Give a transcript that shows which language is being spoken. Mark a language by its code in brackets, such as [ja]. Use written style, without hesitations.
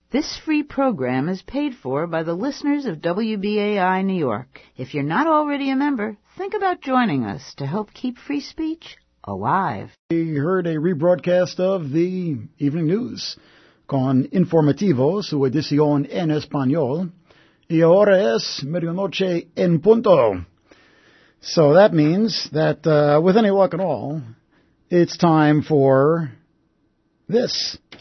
[en] This free program is paid for by the listeners of WBAI New York. If you're not already a member, think about joining us to help keep free speech alive. We heard a rebroadcast of the evening news [es] con Informativo, su edición en español. Y ahora es medianoche en punto. [en] So that means that with any luck at all, it's time for this.